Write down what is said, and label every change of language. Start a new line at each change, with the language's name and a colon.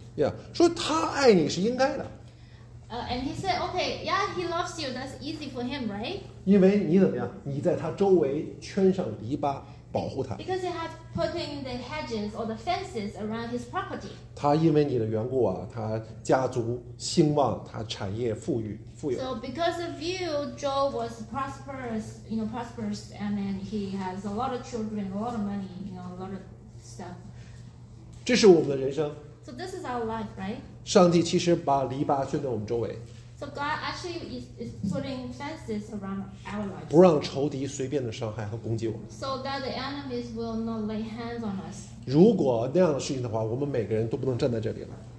Chinese: Yeah, 说他爱你是应该的。
English: And he said, okay, yeah, he loves you. That's easy for him, right?
Chinese: 因为你怎么样？你在他周围圈上篱笆，保护他。
English: Because he has put in the hedges or the fences around his property.
Chinese: 他因为你的缘故啊，他家族兴旺，他产业富有。
English: So because of you, Job was prosperous, you know, prosperous, and then he has a lot of children, a lot of money, you know, a lot of stuff.
Chinese: 这是我们的人生。
English: So this is our life, right?
Chinese: 上帝其实把篱笆圈在我们周围。
English: So God actually is putting fences around our lives.
Chinese: 不让仇敌随便的伤害和攻击我们。
English: So that the enemies will not lay hands on us.
Chinese: 如果那样的事情的话，我们每个人都不能站在这里了。